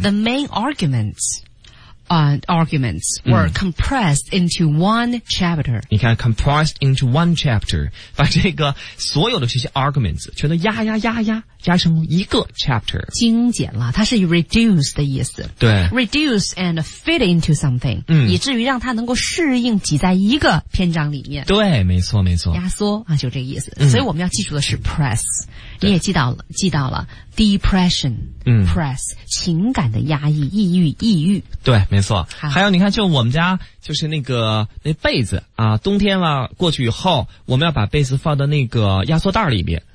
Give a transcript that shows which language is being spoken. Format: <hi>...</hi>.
<en>，the main arguments， arguments were compressed into one chapter。</en> <zh>你看 ，</zh> <en>compressed into one chapter，</en> <zh>把这个所有的这些 arguments 全都压成一个 chapter，精简了，它是 reduce 的意思。对</zh> <en>，reduce and fit into something，</en> <zh>嗯，以至于让它能够适应挤在一个篇章里面。对，没错，没错。压缩啊，就这个意思、嗯。所以我们要记住的是 press， 你也记到了 depression， press 情感的压抑，抑郁。对，没错。还有，你看，就我们家就是那被子啊，冬天了过去以后，我们要把被子放到那个压缩袋里面。</zh>